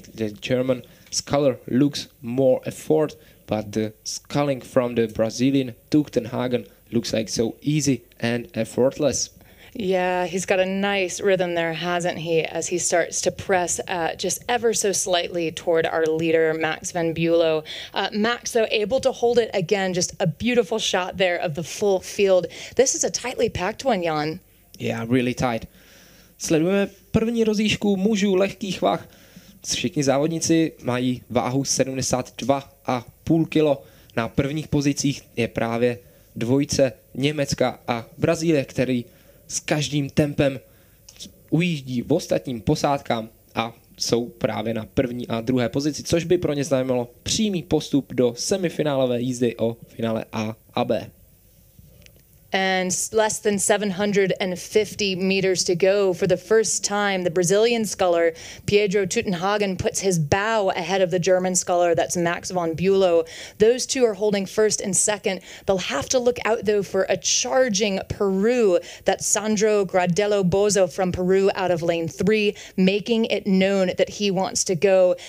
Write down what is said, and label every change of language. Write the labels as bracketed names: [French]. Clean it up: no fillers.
[English] The German sculler looks more effort, but the sculling from the Brazilian Tuchenhagen looks like so easy and effortless. Yeah, he's got a nice rhythm there, hasn't he, as he starts to press just ever so slightly toward our leader, Max von Bülow. Max, though, able to hold it again, just a beautiful shot there of the full field. This is a tightly packed one, Jan. Yeah, really tight. [Czech] Sledujeme první rozjížku mužů lehkých vah. Všichni závodníci mají váhu 72,5 kilo. Na prvních pozicích je právě dvojice Německa a Brazílie, který s každým tempem ujíždí v ostatním posádkám a jsou právě na první a druhé pozici, což by pro ně znamenalo přímý postup do semifinálové jízdy o finále A a B. [English] And less than 750 meters to go. For the first time, the Brazilian sculler, Pedro Tuchenhagen, puts his bow ahead of the German sculler, that's Max von Bülow. Those two are holding first and second. They'll have to look out, though, for a charging Peru, that's Sandro Gradello Bozo from Peru out of lane three, making it known that he wants to go.